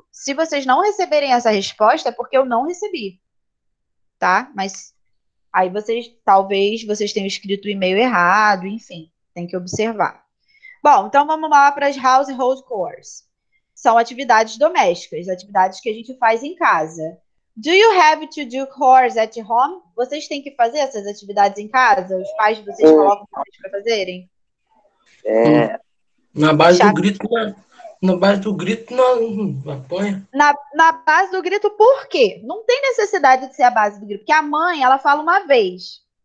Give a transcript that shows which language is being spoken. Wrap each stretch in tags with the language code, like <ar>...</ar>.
<pt>Se vocês não receberem essa resposta, é porque eu não recebi, tá? Mas aí vocês, talvez vocês tenham escrito o e-mail errado, enfim, tem que observar. Bom, então vamos lá para as household chores. São atividades domésticas, atividades que a gente faz em casa.</pt> <en>Do you have to do chores at home?</en> <pt>Vocês têm que fazer essas atividades em casa? Os pais de vocês colocam para fazerem? É, Na base do Chato. grito, na base do grito, não apanha. Na base do grito, por quê? Não tem necessidade de ser a base do grito, porque a mãe, ela fala uma vez.</pt>